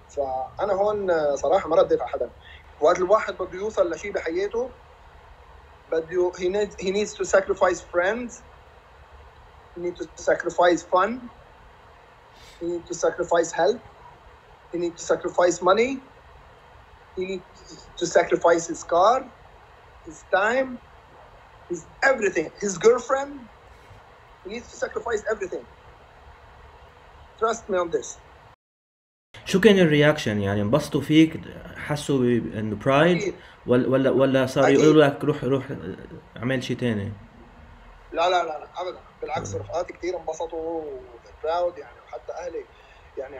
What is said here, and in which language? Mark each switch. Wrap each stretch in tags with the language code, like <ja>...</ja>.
<ar>فأنا هون صراحة ما رديت على حدا. وقت الواحد بده يوصل لشيء بحياته بده</ar> <en>he needs to sacrifice friends, he need to sacrifice fun, he need to sacrifice health, he need to sacrifice money, he need to sacrifice his car, his time, his everything, his girlfriend, he needs to sacrifice everything. Trust me on this.</en> <ar>شو كان الرياكشن؟ يعني انبسطوا فيك، حسوا انه برايد، ولا صار يقولوا لك روح اعمل شيء ثاني؟ لا لا لا ابدا، بالعكس رفقاتي كثير انبسطوا وبراود يعني، وحتى اهلي يعني.</ar>